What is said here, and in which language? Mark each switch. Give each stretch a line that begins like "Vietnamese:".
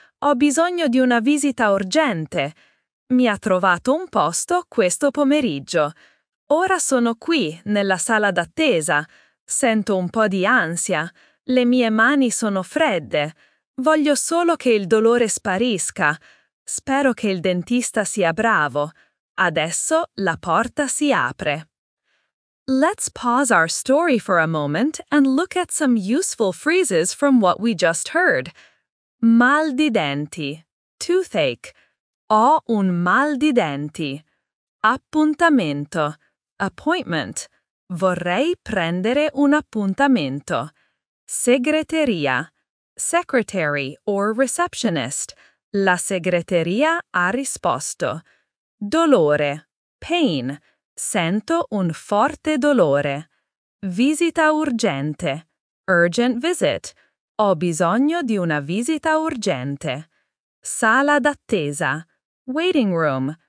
Italian: Ho bisogno di una visita urgente. Mi ha trovato un posto questo pomeriggio. Ora sono qui, nella sala d'attesa. Sento un po' di ansia. Le mie mani sono fredde. Voglio solo che il dolore sparisca. Spero che il dentista sia bravo. Adesso la porta si apre».
English: Let's pause our story for a moment and look at some useful phrases from what we just heard.
Italian: Mal di denti. Toothache. Ho un mal di denti. Appuntamento. Appointment. Vorrei prendere un appuntamento. Segreteria.
English: Secretary or receptionist.
Italian: La segreteria ha risposto. Dolore. Pain. Sento un forte dolore. Visita urgente.
English: Urgent visit.
Italian: Ho bisogno di una visita urgente. Sala d'attesa.
English: Waiting room.